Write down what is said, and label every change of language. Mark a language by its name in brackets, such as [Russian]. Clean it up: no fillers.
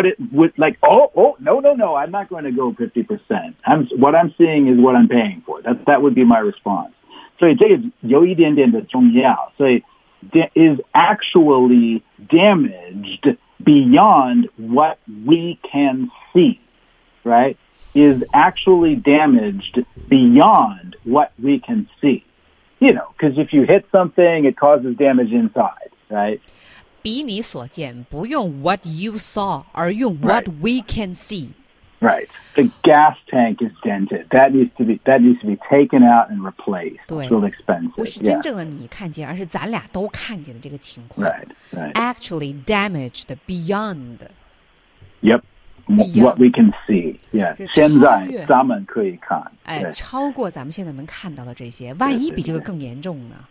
[English] That's what it would like, oh no, I'm not going to go 50%. What I'm seeing is what I'm paying for. That would be my response. [Chinese] 所以这个有一点点的重要。 [English] 所以 is actually damaged beyond what we can see, right? Is actually damaged beyond what we can see. You know, because if you hit something, it causes damage inside, right? [Chinese] 比你所见，不用 [English] what you saw, [Chinese] 而用 [English] what we can see. Right. The gas tank is dented. That needs to be taken out and replaced. It's real expensive. [Chinese] 不是真正的你看见，而是咱俩都看见的这个情况。 [English] Right. Actually damaged beyond. Yep. What we can see. Yeah. [Chinese] 现在咱们可以看。哎，超过咱们现在能看到的这些，万一比这个更严重呢？